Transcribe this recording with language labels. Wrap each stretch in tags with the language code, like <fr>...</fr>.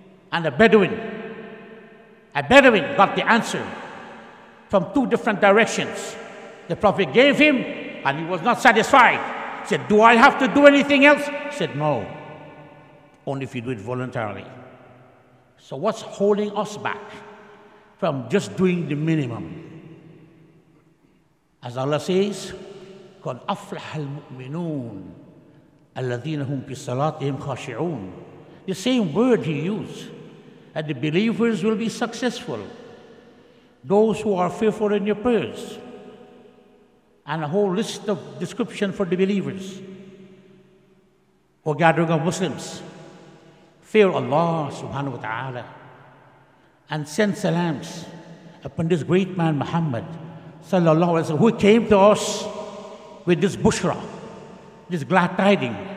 <en>And a Bedouin got the answer from two different directions. The Prophet gave him and he was not satisfied. He said, do I have to do anything else? He said, no, only if you do it voluntarily. So what's holding us back from just doing the minimum? As Allah says,</en> <ar>قَدْ أَفْلَحَ الْمُؤْمِنُونَ الَّذِينَ هُمْ فِي صَلَاتِهِمْ خَاشِعُونَ.</ar> <en>The same word he used, that the believers will be successful, those who are faithful in your prayers, and a whole list of description for the believers, or gathering of Muslims, fear Allah subhanahu wa ta'ala, and send salams upon this great man Muhammad sallallahu alaihi wasallam, who came to us with this bushra, this glad tiding.</en>